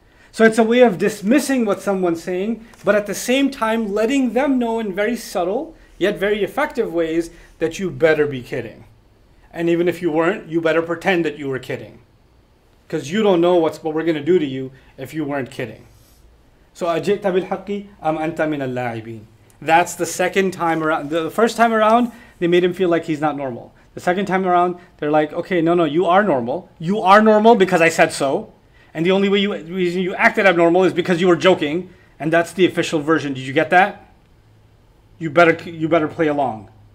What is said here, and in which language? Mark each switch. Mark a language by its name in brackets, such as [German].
[English] So it's a way of dismissing what someone's saying, but at the same time letting them know in very subtle, yet very effective ways that you better be kidding. And even if you weren't, you better pretend that you were kidding. Because you don't know what we're going to do to you if you weren't kidding. So [Arabic] أجئت بالحق أم أنت من اللاعبين. [English] That's the second time around. The first time around, they made him feel like he's not normal. The second time around, they're like, okay, no, you are normal. You are normal because I said so. And the only way you acted abnormal is because you were joking. And that's the official version. Did you get that? You better play along.